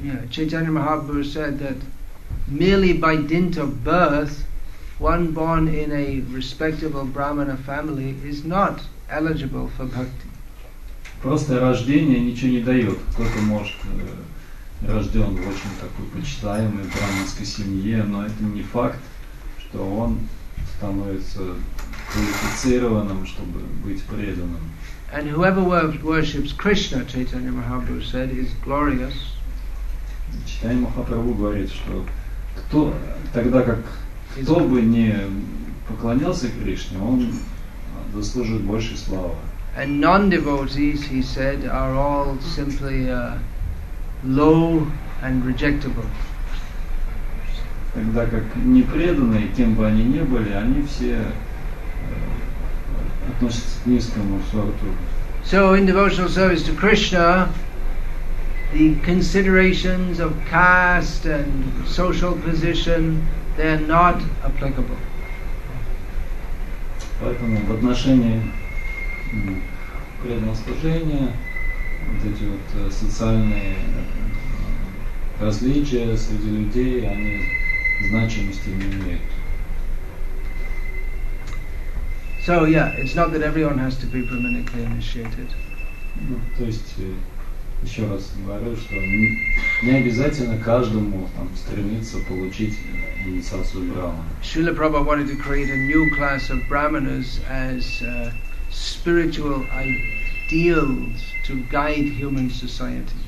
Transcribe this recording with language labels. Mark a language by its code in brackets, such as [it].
[en] Yeah, Chaitanya Mahaprabhu said that merely by dint of birth, one born in a respectable brahmana family is not eligible for bhakti. [ru] Просто рождение ничего не дает. Кто-то может рожден в очень такой почитаемой брахманской семье, но это не факт, что он становится квалифицированным, чтобы быть преданным. [en] And whoever worships Krishna, Chaitanya Mahaprabhu said, is glorious. [ru] Чайтанья Махапрабху говорит, что кто бы не поклонялся Кришне, он заслуживает большей славы. [en] And non-devotees, he said, are all simply low and rejectable. [ru] Тогда как непреданные, кем бы они ни были, они все относятся к низкому сорту. [en] So in devotional service to Krishna, the considerations of caste and social position, they are not applicable. [ru] Поэтому в отношении преданного служения, вот эти вот социальные различия среди людей, они значимости не имеют. [en] So yeah, it's not that everyone has to be brahminically initiated. [ru] Ну, то есть еще раз говорю, что не обязательно каждому там стремиться получить инициацию брахмана. [en] Srila Prabhupada wanted to create a new class of brahmanas as spiritual ideals to guide human society.